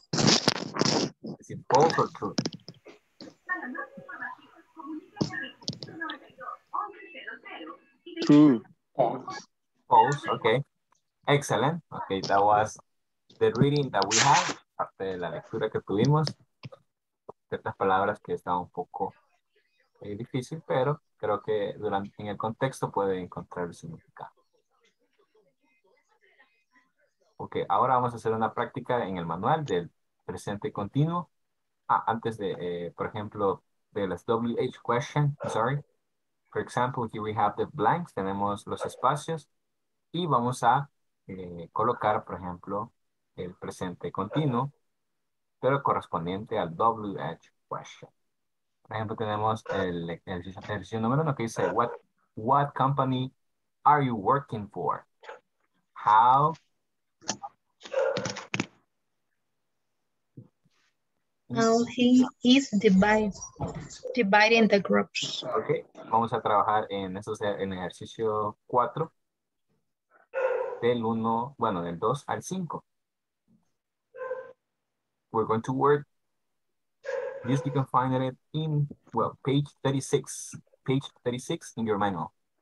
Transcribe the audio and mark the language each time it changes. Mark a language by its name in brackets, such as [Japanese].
[English] Is it false or true? True. False. Okay. Excellent. Okay, that was the reading that we had. [Spanish] Aparte de la lectura que tuvimos. Ciertas palabras que están un poco difícil, pero creo que durante en el contexto puede encontrar el significado. Okay, ahora vamos a hacer una práctica en el manual del presente continuo. Ah, antes de, por ejemplo, de las WH question, sorry. [English] For example, here we have the blanks, [Spanish] tenemos los espacios. Y vamos a colocar, por ejemplo, el presente continuo, pero correspondiente al WH question. Por ejemplo, tenemos el ejercicio número uno que dice, [English] what company are you working for? How? [Spanish] How he is dividing the groups. Okay, vamos a trabajar en eso, en ejercicio 4, del 1, bueno, del 2 al 5. [English] We're going to work. This you can find it in, well, page 36 in your manual.